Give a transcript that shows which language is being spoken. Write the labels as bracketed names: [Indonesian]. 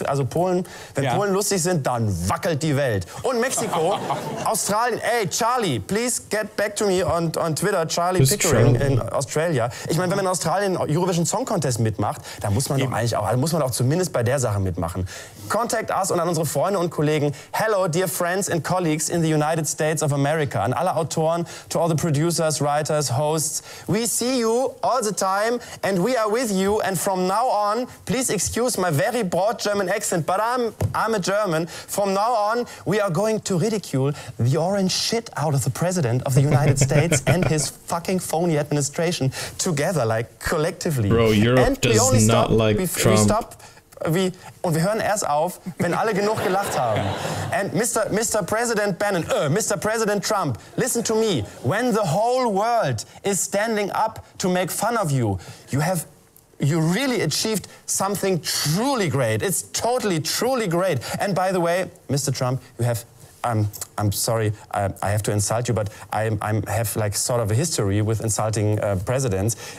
[German] Polen lustig sind, dann wackelt die Welt. Und Mexiko, Australien. [English] Ey, Charlie, please get back to me on Twitter. Charlie Who's Pickering Charlie? In Australia. [German] Ich meine, wenn man in Australien Eurovision Song Contest mitmacht, dann muss man doch zumindest bei der Sache mitmachen. [English] Contact us [German] und an unsere Freunde und Kollegen. [English] Hello, dear friends and colleagues in the United States of America. [German] An alle Autoren, [English] to all the producers, writers, hosts. We see you all the time and we are with you and from now on, please excuse my very broad German accent, but I'm a German. From now on, we are going to ridicule the orange shit out of the President of the United States and his fucking phony administration together, like collectively. Bro, Europe does not like Trump. [German] Und wir hören erst auf, wenn alle genug gelacht haben. [English] And Mr. President Bannon, Mr. President Trump, listen to me. When the whole world is standing up to make fun of you, you really achieved something truly great. It's totally, truly great. And by the way, Mr. Trump, you have... I'm sorry, I have to insult you, but I'm have like sort of a history with insulting presidents.